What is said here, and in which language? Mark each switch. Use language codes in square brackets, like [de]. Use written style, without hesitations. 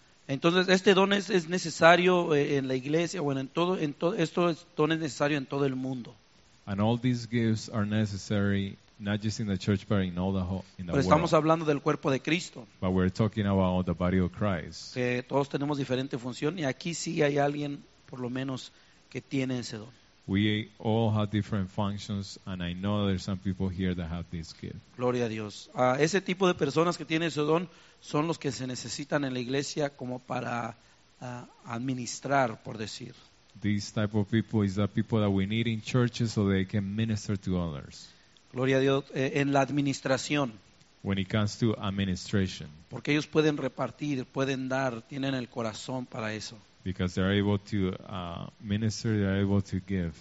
[es] Entonces, este don es necesario en la iglesia. Bueno, este don es necesario en todo el mundo. [en] And all these gifts are necessary. Not just in the church, but in all the whole, in the world. [es] Pero estamos hablando del cuerpo de Cristo. [en] But we're talking about the body of Christ. [es] Que todos tenemos diferente función, y aquí sí hay alguien, por lo menos, que tiene ese don. [en] We all have different functions, and I know there's some people here that have this gift. [es] Gloria a Dios. Ese tipo de personas que tienen ese don son los que se necesitan en la iglesia como para administrar, por decir. [en] This type of people is the people that we need in churches so they can minister to others. [es] Gloria a Dios, en la administración. [en] When it comes to administration. [es] Porque ellos pueden repartir, pueden dar, tienen el corazón para eso. [en] Because they're able to minister, they're able to give.